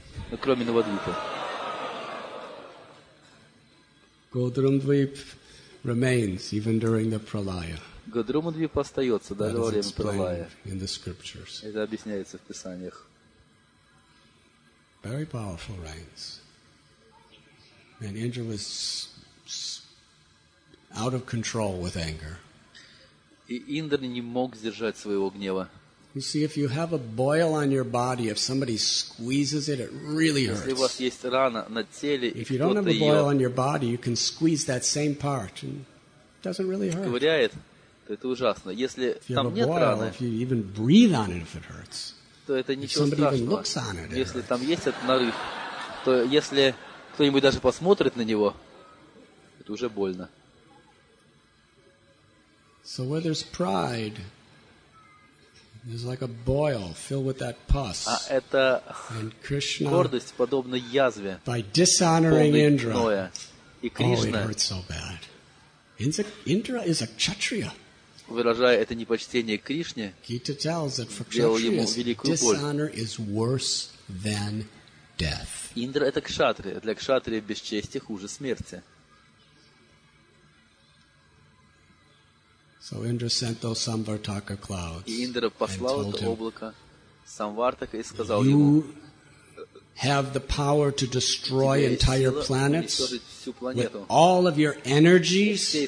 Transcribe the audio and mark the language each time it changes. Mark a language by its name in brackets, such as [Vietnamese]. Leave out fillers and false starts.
[Russian] ну, кроме Навадвипа. [English] Годрумдвип remains even during the Pralaya. [Russian] Годрумдвип остается даже во время Пралая. [English] In the scriptures. [Russian] Это объясняется в Писаниях. [English] Very powerful rains. And Indra was out of control with anger. [Russian] И Индра не мог сдержать своего гнева. [English] You see, if you have a boil on your body, if somebody squeezes it, it really hurts. [Russian] Если у вас есть рана на теле, [English] if you don't have a boil on your body, you can squeeze that same part, and it doesn't really hurt. [Russian] Ковыряет, то это ужасно. Если там нет раны, [English] if you even breathe on it, if it hurts, [Russian] то это ничего страшного. [English] If somebody even looks on it, [Russian] если там есть этот нарыв, то если кто-нибудь даже посмотрит на него, это уже больно. [English] So where there's pride, there's like a boil filled with that pus. [Russian] А это гордость подобна язве. [English] By dishonoring Indra, [Russian] и Кришна, [English] oh, it hurts so bad. Indra is a kshatriya. [Russian] Выражая это непочтение к Кришне, [English] Gita tells that for kshatriyas, dishonor is worse than death. [Russian] Индра это кшатрия. Для кшатрии бесчестие хуже смерти. [English] So Indra sent those Samvartaka clouds. [Russian] И Индра послал это облако Самвартака и сказал ему: [English] have the power to destroy entire planets with all of your energies.